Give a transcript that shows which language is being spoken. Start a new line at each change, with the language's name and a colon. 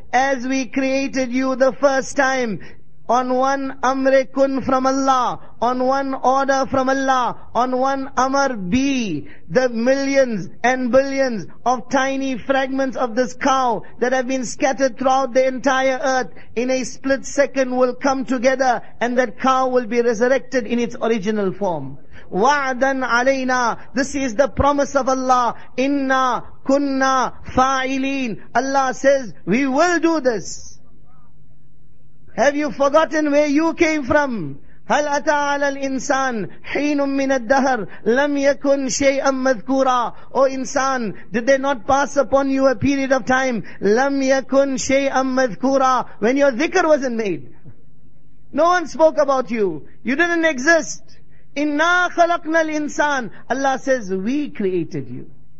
English: As we created you the first time. On one amrekun from Allah, on one order from Allah, on one amr be, the millions and billions of tiny fragments of this cow that have been scattered throughout the entire earth, in a split second will come together and that cow will be resurrected in its original form.
Arabic: Wa'dan alayna,
English: this is the promise of Allah.
Arabic: Inna kunna fa'ilin.
English: Allah says, we will do this. Have you forgotten where you came from?
Arabic: هل أتى على الإنسان حين من الدهر لم يكن شيئا مذكورا.
English: O insan, did they not pass upon you a period of time?
Arabic: لم يكن شيئا مذكورا.
English: When your dhikr wasn't made. No one spoke about you. You didn't exist.
Arabic: إنا خلقنا الإنسان.
English: Allah says, we created you.